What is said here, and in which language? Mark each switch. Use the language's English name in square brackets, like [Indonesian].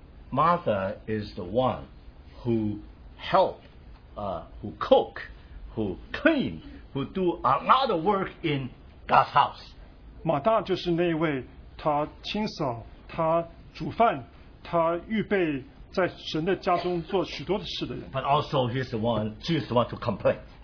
[English] Martha is the one who helped, who cook, who clean, who do a lot of work in God's house. [Chinese] 马大就是那一位，他清扫，他煮饭，他预备在神的家中做许多的事的人。 [English] But also, he's the one, Jesus wants to complain.